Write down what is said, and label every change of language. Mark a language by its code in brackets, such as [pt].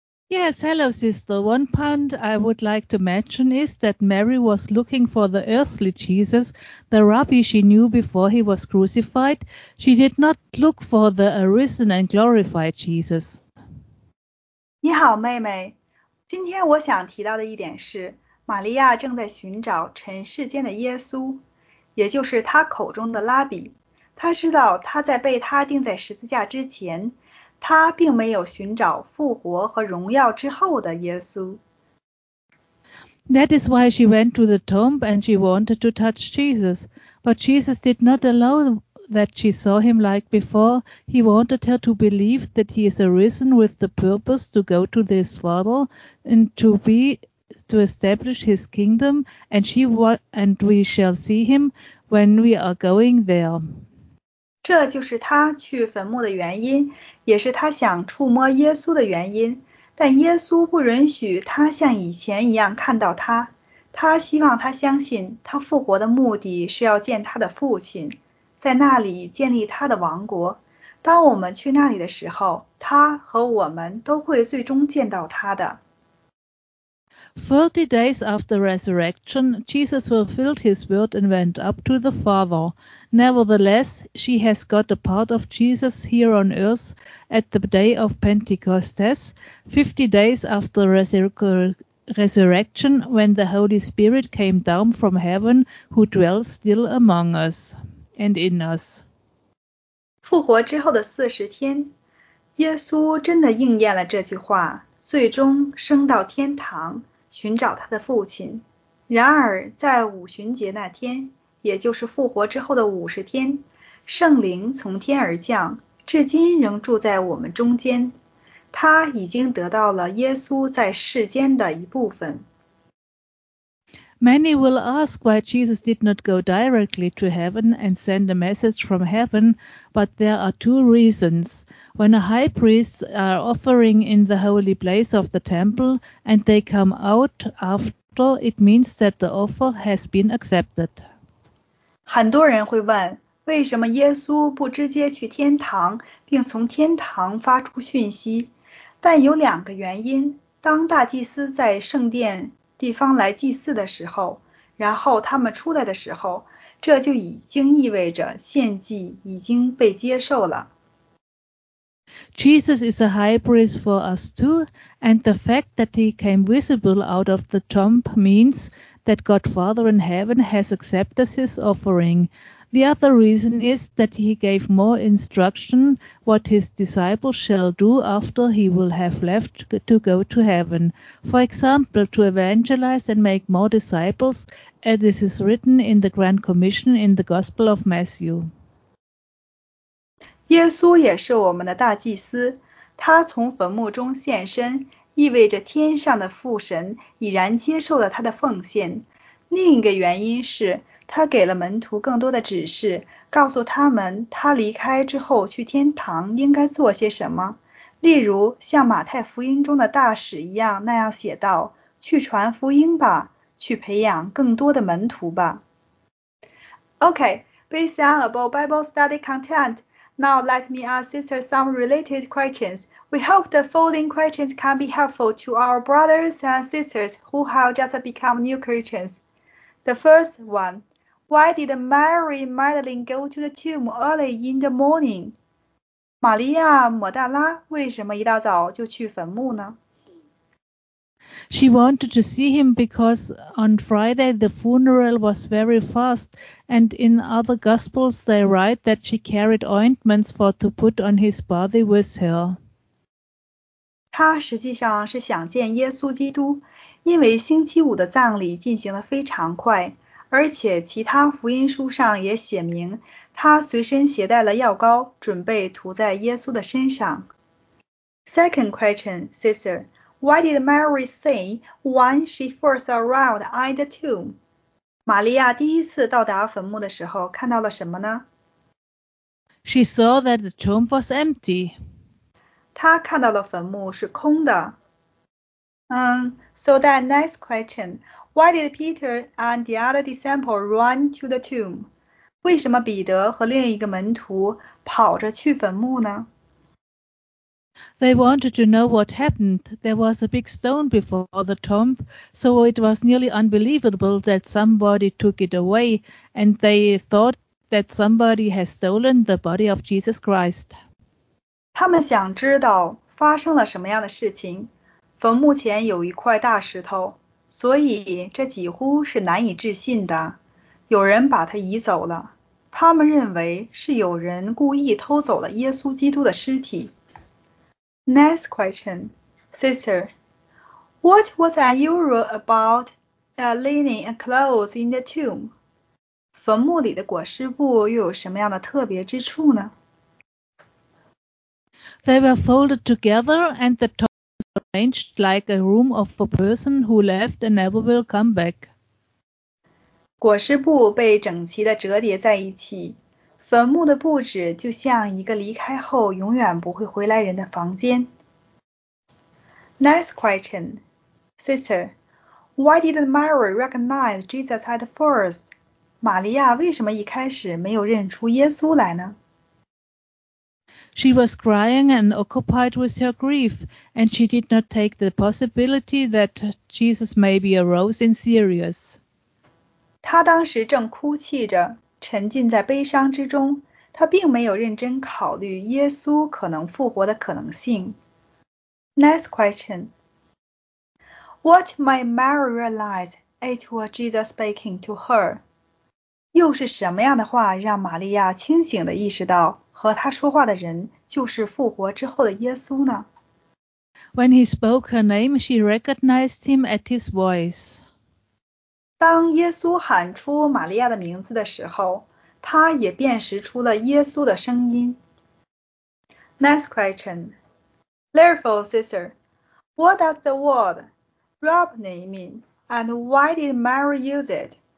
[en] Yes, hello, sister. One point I would like to mention is that Mary was looking for the earthly Jesus, the rabbi she knew before he was crucified. She did not look for the arisen and glorified Jesus. [zh] 你好，妹妹。今天我想提到的一点是，玛利亚正在寻找尘世间的耶稣，也就是她口中的拉比。她知道他在被他钉在十字架之前。他并没有寻找复活和荣耀之后的耶稣。 [en] That is why she went to the tomb and she wanted to touch Jesus. But Jesus did not allow that she saw him like before. He wanted her to believe that he is arisen with the purpose to go to his father and to be to establish his kingdom, and we shall see him when we are going there. [zh] 这就是他去坟墓的原因，也是他想触摸耶稣的原因。但耶稣不允许他像以前一样看到他，他希望他相信他复活的目的是要见他的父亲，在那里建立他的王国。当我们去那里的时候，他和我们都会最终见到他的。 [en] 40 days after resurrection, Jesus fulfilled his word and went up to the Father. Nevertheless, she has got a part of Jesus here on earth at the day of Pentecost, 50 days after resurrection, when the Holy Spirit came down from heaven, who dwells still among us and in us. [zh] 复活之后的四十天，耶稣真的应验了这句话，最终升到天堂，寻找他的父亲。然而，在五旬节那天，也就是复活之后的五十天，圣灵从天而降，至今仍住在我们中间。他已经得到了耶稣在世间的一部分。 [en] Many will ask why Jesus did not go directly to heaven and send a message from heaven, but there are two reasons. When a high priest are offering in the holy place of the temple and they come out after, it means that the offer has been accepted. [zh] 很多人会问，为什么耶稣不直接去天堂并从天堂发出讯息？但有两个原因，当大祭司在圣殿地方来祭祀的时候，然后他们出来的时候，这就已经意味着献祭已经被接受了。 [en] Jesus is a high priest for us too, and the fact that he came visible out of the tomb means that God Father in heaven has accepted his offering. The other reason is that he gave more instruction what his disciples shall do after he will have left to go to heaven. For example, to evangelize and make more disciples, as this is written in the Grand Commission in the Gospel of Matthew. [zh] 耶稣也是我们的大祭司，他从坟墓中现身，意味着天上的父神已然接受了他的奉献。另一个原因是，他给了门徒更多的指示，告诉他们他离开之后去天堂应该做些什么。例如，像马太福音中的大使一样那样写道：“去传福音吧，去培养更多的门徒吧。” [en] Okay, based on above Bible study content, now let me ask sister some related questions. We hope the following questions can be helpful to our brothers and sisters who have just become new Christians. The first one, why did Mary Magdalene go to the tomb early in the morning? [zh] 玛利亚·抹大拉为什么一大早就去坟墓呢？ [en] She wanted to see him because on Friday the funeral was very fast, and in other Gospels they write that she carried ointments for to put on his body with her. [zh] 她实际上是想见耶稣基督。因为星期五的葬礼进行得非常快，而且其他福音书上也写明，他随身携带了药膏，准备涂在耶稣的身上。 [en] Second question, sister, why did Mary say when she first arrived at the tomb? [zh] 玛利亚第一次到达坟墓的时候看到了什么呢？ [en] She saw that the tomb was empty. [zh] 她看到了坟墓是空的。 [en] So that next question, why did Peter and the other disciple run to the tomb? [zh] 为什么彼得和另一个门徒跑着去坟墓呢？ [en] They wanted to know what happened. There was a big stone before the tomb, so it was nearly unbelievable that somebody took it away, and they thought that somebody has stolen the body of Jesus Christ. [zh] 他们想知道发生了什么样的事情。坟墓前有一块大石头，所以这几乎是难以置信的。有人把它移走了，他们认为是有人故意偷走了耶稣基督的尸体。 [en] Next question, sister, what was unusual about linen and clothes in the tomb? [zh] 坟墓里的裹尸布又有什么样的特别之处呢？ [en] They were folded together and the top. arranged like a room of a person who left and never will come back. [zh] 裹尸布被整齐地折叠在一起，坟墓的布置就像一个离开后永远不会回来人的房间。 [en] Next question. Sister, why didn't Mary recognize Jesus at first? [zh] 玛利亚为什么一开始没有认出耶稣来呢？ [en] She was crying and occupied with her grief, and she did not take the possibility that Jesus may be a rose in serious. [zh] 她当时正哭泣着，沉浸在悲伤之中，她并没有认真考虑耶稣可能复活的可能性。 [en] Next question. What might Mary realize it was Jesus speaking to her? [zh] 又是什么样的话让玛利亚清醒地意识到和他说话的人就是复活之后的耶稣呢？ [en] When he spoke her name, she recognized him at his voice. [zh] 当耶稣喊出玛利亚的名字的时候，她也辨识出了耶稣的声音。 [en] Next question. Therefore, sister, what does the word Rabboni mean, and why did Mary use it?